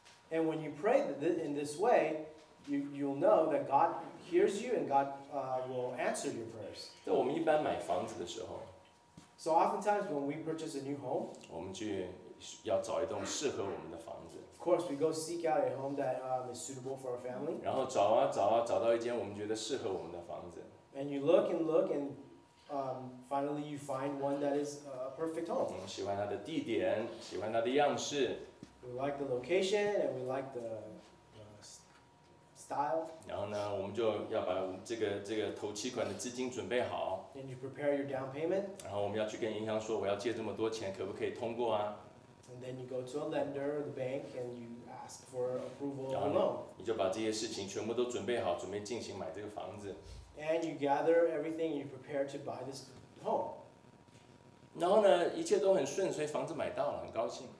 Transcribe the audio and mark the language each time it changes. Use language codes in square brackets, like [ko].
[en] And when you pray in this way, you'll know that God hears you and God will answer your prayers. [zh] 在我们一般买房子的时候 [en] ，So oftentimes when we purchase a new home, [zh] 我们去要找一栋适合我们的房子。 [en] Of course, we go seek out a home that is suitable for our family. [zh] 然后找啊找啊，找到一间我们觉得适合我们的房子。 [en] And you look and look and finally you find one that is a perfect home. [zh] 我们喜欢它的地点，喜欢它的样式。 [en] We like the location and we like the style. [zh] 然后呢，我们就要把这个头期款的资金准备好。 [en] And you prepare your down payment. [zh] 然后我们要去跟银行说，我要借这么多钱，可不可以通过啊 [en] ？And then you go to a lender, the bank, and you ask for approval of a loan. [zh] 你就把这些事情全部都准备好，准备进行买这个房子。 [en] And you gather everything, you prepare to buy this home. [zh] 然后呢，一切都很顺，所以房子买到了，很高兴。